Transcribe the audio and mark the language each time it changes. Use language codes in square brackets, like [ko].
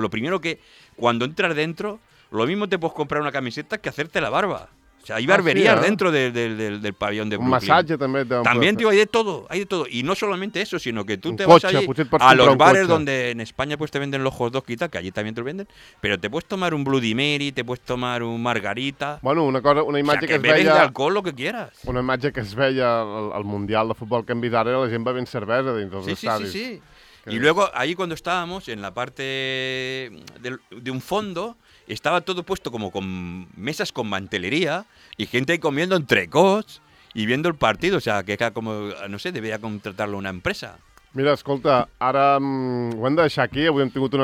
[es] Lo primero que, cuando entras dentro, lo mismo te puedes comprar una camiseta que hacerte la barba. O sea, hay barberías dentro del pabellón de Brooklyn. [ca] Un massatge també. [es] También, tío, hay de todo. Y no solamente eso, sino que tú te vas allí a los bares donde en España pues te venden los hot dogs y tal, que allí también te lo venden, pero te puedes tomar un Bloody Mary, te puedes tomar un Margarita... [ca] Bueno, una imatge que es veia... [es] O sea, que bebes d'alcohol, lo que quieras. [ca] Una imatge que es veia al Mundial de Futbol que hem vist ara, la gent bevent cervesa dins dels estadis. [es] Sí. Y luego, ahí cuando estábamos, en la parte de un fondo... Estaba todo puesto como con mesas con mantelería y gente ahí comiendo entrecots y viendo el partido. O sea, que era como, no sé, debía contratarlo una empresa. [ca] Mira, escolta, ara ho hem de deixar aquí, avui hem tingut una...